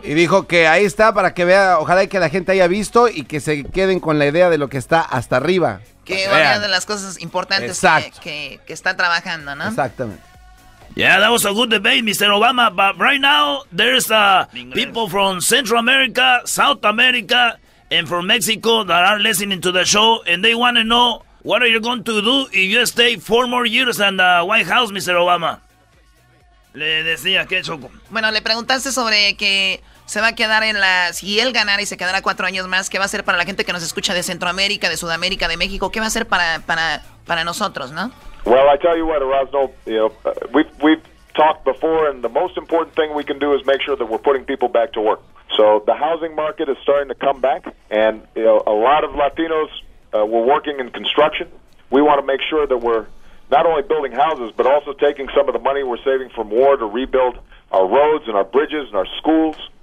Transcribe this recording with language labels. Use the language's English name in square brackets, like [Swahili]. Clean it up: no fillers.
[Spanish] Y dijo que ahí está para que vea, ojalá y que la gente haya visto y que se queden con la idea de lo que está hasta arriba. Que una de las cosas importantes que está trabajando, ¿no? Exactamente. [English] Yeah, that was a good debate, Mr. Obama. But right now, there's people from Central America, South America, and from Mexico that are listening to the show, and they want to know what are you going to do if you stay 4 more years in the White House, Mr. [Spanish] Obama. Le decía que choco. Bueno, le preguntaste sobre que se va a quedar en la... Si él ganara y se quedara 4 años más, ¿qué va a hacer para la gente que nos escucha de Centroamérica, de Sudamérica, de México? ¿Qué va a hacer para nosotros, no? [English] Well, I tell you what, Erasno, you know, we've talked before, and the most important thing we can do is make sure that we're putting people back to work. So the housing market is starting to come back, and you know, a lot of Latinos were working in construction. We want to make sure that we're not only building houses, but also taking some of the money we're saving from war to rebuild our roads and our bridges and our schools.